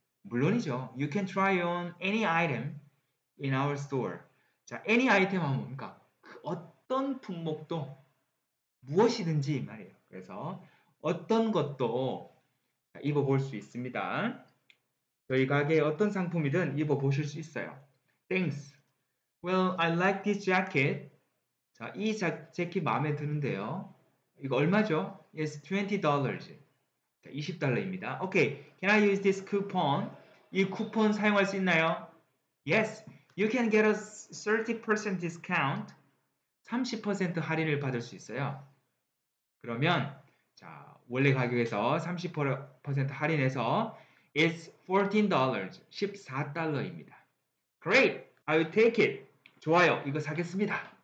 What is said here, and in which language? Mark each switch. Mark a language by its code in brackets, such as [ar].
[ko] 물론이죠. [en] You can try on any item in our store. [ko] 자, [en] any item [ko] 하면 뭡니까? 그 어떤 품목도 무엇이든지 말이에요. 그래서 어떤 것도 입어볼 수 있습니다. 저희 가게에 어떤 상품이든 입어보실 수 있어요. [en] Thanks. Well, I like this jacket. [ko] 자, 이 재킷 마음에 드는데요. 이거 얼마죠? [en] Yes, $20. [ko] 자, $20입니다. [en] Okay, can I use this coupon? [ko] 이 쿠폰 사용할 수 있나요? [en] Yes, you can get a 30% discount. [ko] 30% 할인을 받을 수 있어요. 그러면, 자, 원래 가격에서 30% 할인해서 [en] It's $14. [ko] 14달러입니다. [en] Great, I will take it. [ko] 좋아요, 이거 사겠습니다.